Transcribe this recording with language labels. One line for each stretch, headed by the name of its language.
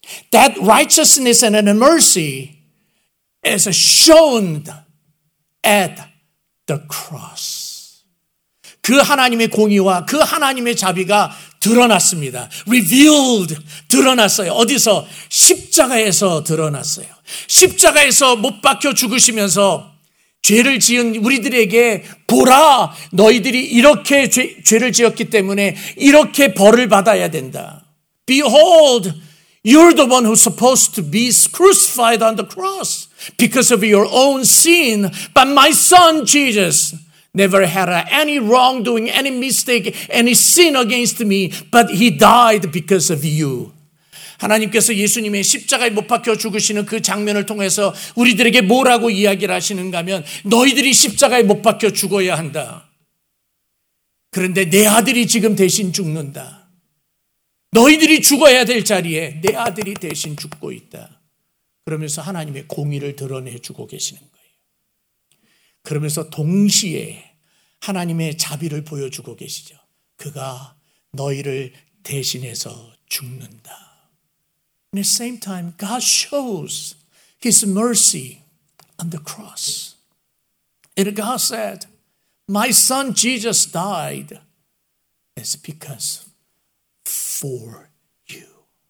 English: That righteousness and mercy is shown at the cross.
Korean: 그 하나님의 공의와 그 하나님의 자비가 드러났습니다.
English: Revealed,
Korean: 드러났어요. 어디서? 십자가에서 드러났어요. 십자가에서 못 박혀 죽으시면서 죄를 지은 우리들에게 보라, 너희들이 이렇게 죄를 지었기 때문에 이렇게 벌을 받아야 된다.
English: Behold, you're the one who's supposed to be crucified on the cross because of your own sin. But my son Jesus never had any wrongdoing, any mistake, any sin against me. But he died because of you.
Korean: 하나님께서 예수님의 십자가에 못 박혀 죽으시는 그 장면을 통해서 우리들에게 뭐라고 이야기를 하시는가 하면 너희들이 십자가에 못 박혀 죽어야 한다. 그런데 내 아들이 지금 대신 죽는다. 너희들이 죽어야 될 자리에 내 아들이 대신 죽고 있다. 그러면서 하나님의 공의를 드러내주고 계시는 거예요. 그러면서 동시에 하나님의 자비를 보여주고 계시죠. 그가 너희를 대신해서 죽는다.
English: At the same time, God shows His mercy on the cross. And God said, My son Jesus died. It's because for you.